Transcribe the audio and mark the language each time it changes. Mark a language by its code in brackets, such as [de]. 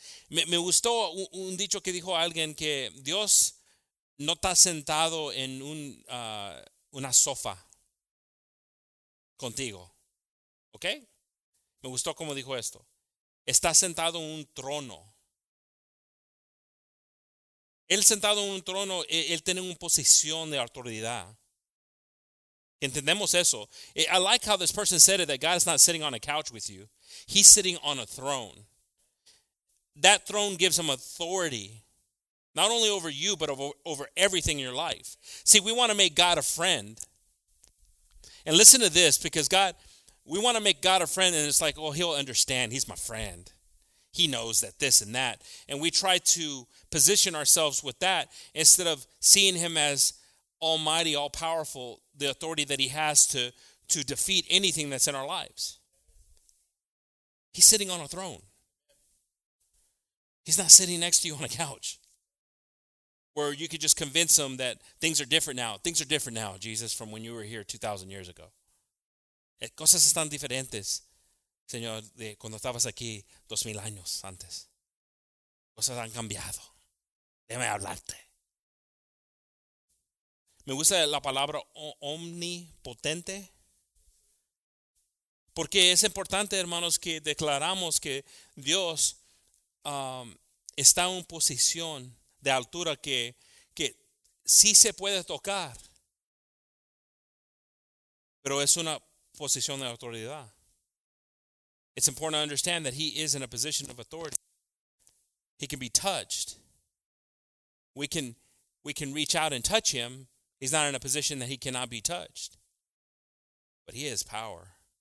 [es] Me gustó un dicho que dijo alguien que Dios no está sentado en una sofá contigo. ¿Ok? Me gustó cómo dijo esto. Está sentado en un trono. Él sentado en un trono, él tiene una posición de autoridad. Entendemos eso. [en] I like how this person said it, that God is not sitting on a couch with you. He's sitting on a throne. That throne gives him authority, not only over you, but over everything in your life. See, we want to make God a friend. And listen to this, because God, we want to make God a friend, and it's like, well, he'll understand. He's my friend. He knows that this and that. And we try to position ourselves with that instead of seeing him as almighty, all-powerful, the authority that he has to defeat anything that's in our lives. He's sitting on a throne. He's not sitting next to you on a couch where you could just convince him that things are different now. Things are different now, Jesus, from when you were here 2,000 years ago. [es] Cosas están diferentes, Señor, de cuando estabas aquí 2,000 años antes. Cosas han cambiado. Déjame hablarte. Me gusta la palabra omnipotente. Porque es importante, hermanos, que declaramos que Dios está en posición de altura que sí se puede tocar, pero es una posición de autoridad. [en] It's important to understand that he is in a position of authority. He can be touched. We can reach out and touch him. He's not in a position that he cannot be touched. But he has power.